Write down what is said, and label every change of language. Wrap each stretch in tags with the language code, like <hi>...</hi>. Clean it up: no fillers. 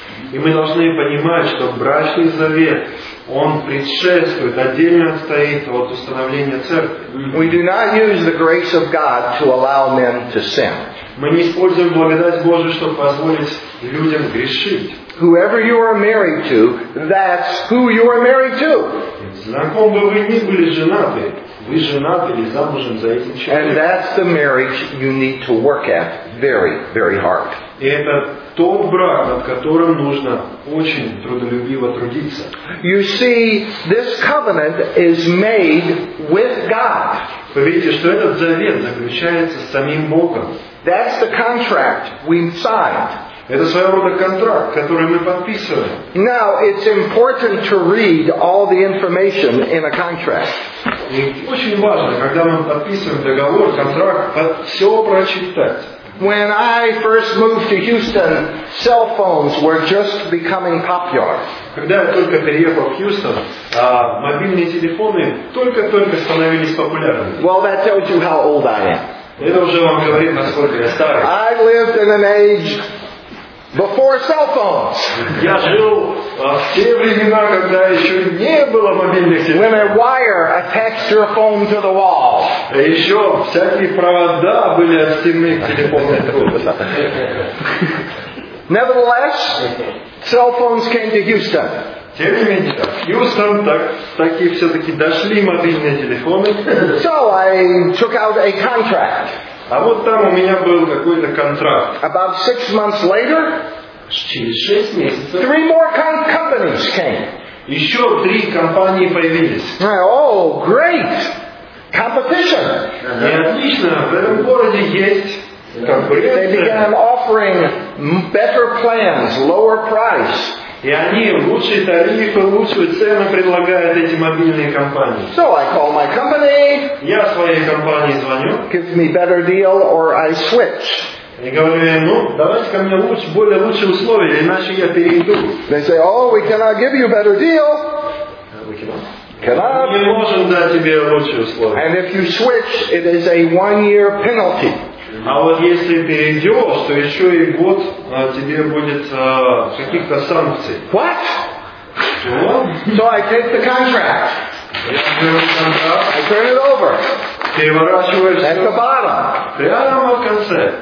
<ru>И мы должны понимать, что брачный завет, он предшествует, отдельно стоит от установления церкви.</ru> <en>We do not use the grace of God to allow men to sin.</en> <ru>Мы не используем благодать Божию, чтобы позволить людям грешить.</ru> <en>Whoever you are married to, that's who you are married to.</en> <ru>Знаком бы вы ни были женаты. Вы женаты или замужем за этим человеком.</ru> <en>And that's the marriage you need to work at very, very hard.</en> <ru>И это тот брак, над которым нужно очень трудолюбиво трудиться.</ru> <en>You see, this covenant is made with God.</en> <ru>Вы видите, что этот завет заключается с самим Богом.</ru> <en>That's the contract we signed.</en> <ru>Это своего рода контракт, который мы подписываем.</ru> <en>Now, it's important to read all the information in a contract.</en> <ru>И очень важно, когда мы подписываем договор, контракт, все прочитать.</ru> <en>When I first moved to Houston, cell phones were just becoming popular.</en> <ru>Когда я только переехал в Хьюстон, мобильные телефоны только-только становились популярными.</ru> <en>Well, that tells you how old I am.</en> <ru>Это уже вам говорит, насколько я старый.</ru> <en>I lived in an age before cell phones.</en> <ru>Я жил в те времена, когда еще не было мобильных телефонов.</ru> <en>When a wire attached your phone to the wall.</en> <ru>И еще всякие провода были от стены к телефону.</ru> <en>Nevertheless, cell phones came to Houston.</en> <ru>тем не менее, да. Houston, так и все-таки дошли мобильные телефоны.</ru> <en>So I took out a contract.</en> <ru>А вот там у меня был какой-то контракт.</ru> <en>About 6 months later,</en> <ru>через 6 месяцев,</ru> <en>3 more companies came.</en> <ru>Еще 3 компании появились.</ru> <en>Oh, great! Competition.</en> <ru>И отлично, в этом городе есть...</ru> <en>They began offering better plans, lower price.</en> <ru>И они лучшие тарифы, лучшую цену предлагают эти мобильные компании.</ru> <en>So I call my company.</en> <ru>Я своей компании звоню.</ru> <en>Give me better deal or I switch.</en> <ru>И говорю, ну, давайте ко мне более лучшие условия, иначе я перейду.</ru> <en>They say, oh, we cannot give you better deal.</en> <ru>Мы не можем дать тебе лучшие условия.</ru> <en>And if you switch, it is a 1-year penalty.</en> <ru>А вот если перейдешь, то еще и год тебе будет каких-то санкций.</ru> <en>What?</en> <ru>Что?</ru> <en>So I take the contract.</en> <ru>Я беру контракт.</ru> <en>I turn it over.</en> <ru>Переворачиваешь.</ru> <en>At the bottom.</en> <ru>Прямо в конце.</ru>